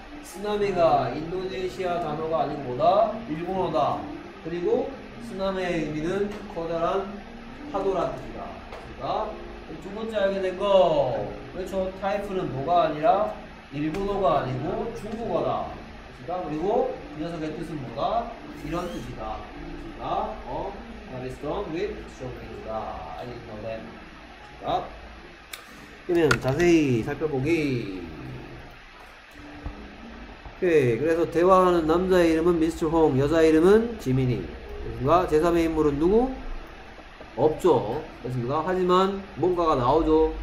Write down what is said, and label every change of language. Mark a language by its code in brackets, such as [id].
[ko] 쓰나미가 인도네시아 단어가 아닌 뭐다? 일본어다. 그리고 쓰나미의 의미는 커다란 파도란 뜻이다. 그러니까 두 번째 알게 된 거. 그렇죠. 타이푼은 뭐가 아니라 일본어가 아니고 중국어다. 그러니까 그리고 그 녀석의 뜻은 뭐다? 이런 뜻이다. 그러니까 [en] heavy storm with strong winds다. I didn't know that. [ko] 있습니다. 그러면 자세히 살펴보기. 오케이. 그래서 대화하는 남자의 이름은 미스터 홍, 여자 이름은 지민이. 됐습니까? 제3의 인물은 누구? 없죠. 됐습니까? 하지만 뭔가가 나오죠.